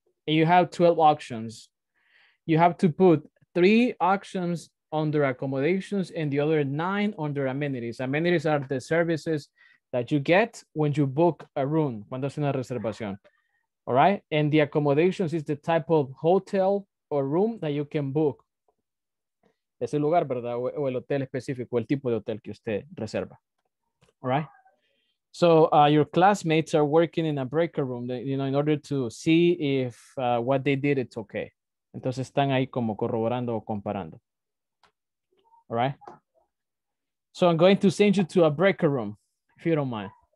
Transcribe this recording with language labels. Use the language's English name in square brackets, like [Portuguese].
[English] And you have 12 options. You have to put 3 options under accommodations and the other 9 under amenities. Amenities are the services that you get when you book a room, [Spanish] cuando hace una reservación. [English] All right? And the accommodations is the type of hotel or room that you can book. [Spanish] Ese lugar, ¿verdad? O el hotel específico, el tipo de hotel que usted reserva. [English] All right? So your classmates are working in a breaker room, you know, in order to see if what they did, it's okay. [Spanish] Entonces están ahí como corroborando o comparando. [English] All right? So I'm going to send you to a breaker room, if you don't mind.